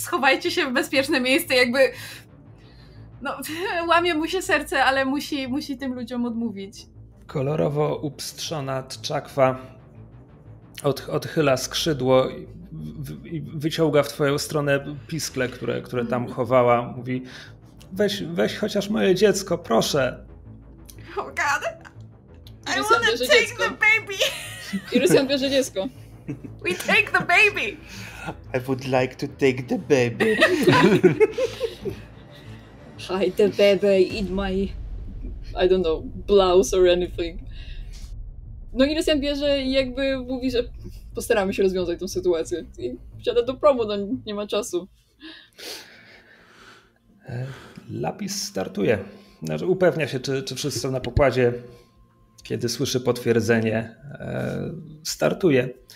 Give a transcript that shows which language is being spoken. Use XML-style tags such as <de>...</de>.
<pl>Schowajcie się w bezpieczne miejsce, jakby... No, łamie mu się serce, ale musi tym ludziom odmówić. Kolorowo upstrzona tczakwa odchyla skrzydło i wyciąga w twoją stronę piskle, które tam chowała. Mówi, weź chociaż moje dziecko, proszę.</pl> <en>Oh God, I wanna take the baby.</en> <pl>Irysian bierze dziecko.</pl> <en>We take the baby. I would like to take the baby. Hide the baby in my, I don't know, blouse or anything.</en> <pl>No Irysian bierze i jakby mówi, że postaramy się rozwiązać tą sytuację. I wsiada do promu, no nie ma czasu. Lapis startuje. Znaczy, upewnia się, czy wszyscy na pokładzie, kiedy słyszy potwierdzenie, startuje.</pl>